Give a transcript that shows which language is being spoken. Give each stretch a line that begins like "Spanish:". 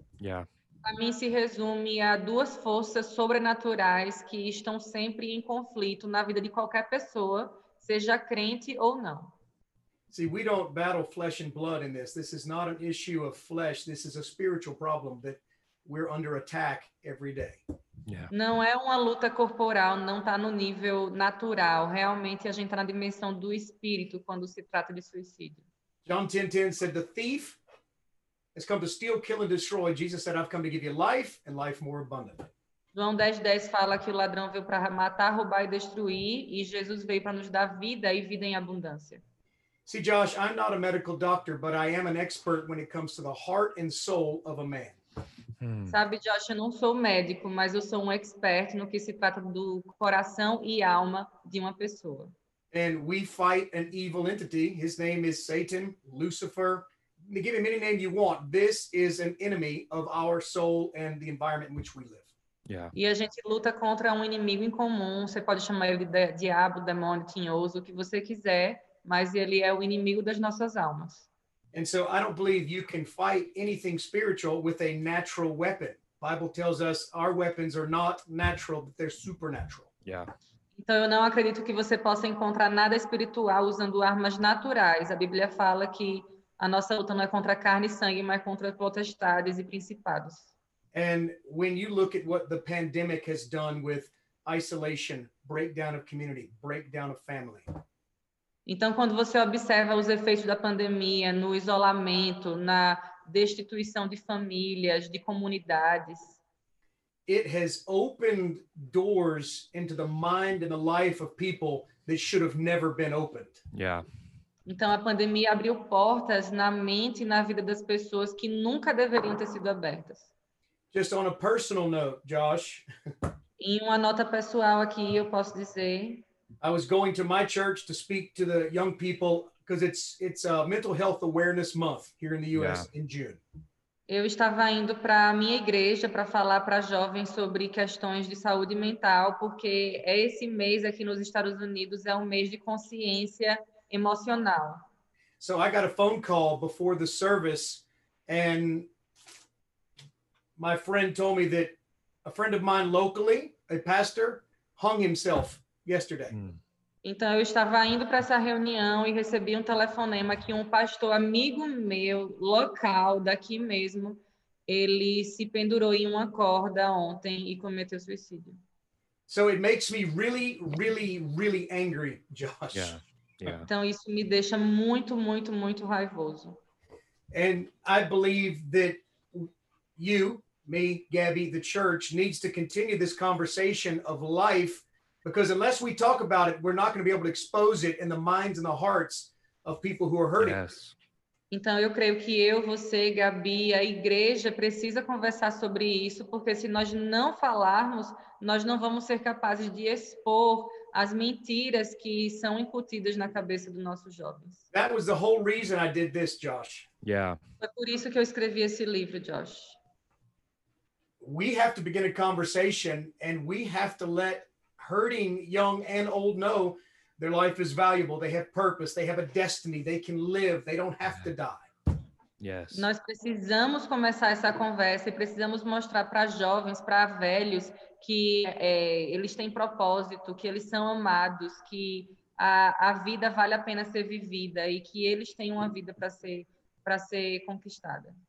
English: Yeah.
Portuguese: Para mim, se resume a duas forças sobrenaturais que estão sempre em conflito na vida de qualquer pessoa, seja crente ou não.
English: See, we don't battle flesh and blood in this. This is not an issue of flesh. This is a spiritual problem that we're under attack every day. Yeah.
Portuguese: Não é uma luta corporal, não tá no nível natural. Realmente a gente tá na dimensão do espírito quando se trata de suicídio.
English: John 10:10 said the thief has come to steal, kill and destroy. Jesus said, I've come to give you life and life more abundant.
Portuguese: João 10:10 fala que o ladrão veio para matar, roubar e destruir, e Jesus veio para nos dar vida e vida em abundância.
English: See, Josh, I'm not a medical doctor, but I am an expert when it comes to the heart and soul of a man.
Portuguese: Sabe, Josh, eu não sou médico, mas eu sou um expert no que se trata do coração e alma de uma pessoa.
English: And we fight an evil entity. His name is Satan, Lucifer. Give him any name you want. This is an enemy of our soul and the environment in which we live. Yeah.
Portuguese: E a gente luta contra um inimigo em comum. Você pode chamar ele de diabo, demônio, tinhoso, o que você quiser, mas ele é o inimigo das nossas almas.
English: And so I don't believe you can fight anything spiritual with a natural weapon. The Bible tells us our weapons are not natural, but they're supernatural. Yeah.
Portuguese: Então eu não acredito que você possa encontrar nada espiritual usando armas naturais. A Bíblia fala que a nossa luta não é contra carne e sangue, mas contra potestades e principados.
English: And when you look at what the pandemic has done with isolation, breakdown of community, breakdown of family.
Portuguese: Então, quando você observa os efeitos da pandemia no isolamento, na destituição de famílias, de comunidades.
English: It has opened doors into the mind and the life of people that should have never been opened. Yeah.
Portuguese: Então, a pandemia abriu portas na mente e na vida das pessoas que nunca deveriam ter sido abertas.
English: Just on a personal note, Josh.
Portuguese: Em uma nota pessoal aqui, eu posso dizer.
English: I was going to my church to speak to the young people because it's a mental health awareness month here in the US yeah. in June.
Portuguese: Eu estava indo para a minha igreja para falar para jovens sobre questões de saúde mental, porque esse mês aqui nos Estados Unidos é um mês de consciência emocional.
English: So I got a phone call before the service and my friend told me that a friend of mine locally, a pastor, hung himself yesterday.
Portuguese: Então eu estava indo para essa reunião e recebi um telefonema que um pastor amigo meu, local daqui mesmo, ele se pendurou em uma corda ontem e cometeu suicídio.
English: So it makes me really, really, really angry, Josh. Yeah. Yeah.
Portuguese: Então isso me deixa muito, muito, muito raivoso.
English: And I believe that you, me, Gabby, the church needs to continue this conversation of life. Because unless we talk about it, we're not going to be able to expose it in the minds and the hearts of people who are hurting. Yes.
Portuguese: Então, eu creio que eu, você, Gabi, a igreja precisa conversar sobre isso, porque se nós não falarmos, nós não vamos ser capazes de expor as mentiras que são incutidas na cabeça dos nossos jovens.
English: That was the whole reason I did this, Josh. Yeah.
Portuguese: Foi por isso que eu escrevi esse livro, Josh.
English: We have to begin a conversation and we have to let hurting young and old know their life is valuable, they have purpose, they have a destiny, they can live, they don't have to die. Yes.
Portuguese: Nós precisamos começar essa conversa e precisamos mostrar para jovens, para velhos, que eles têm propósito, que eles são amados, que a vida vale a pena ser vivida e que eles têm uma vida para ser conquistada.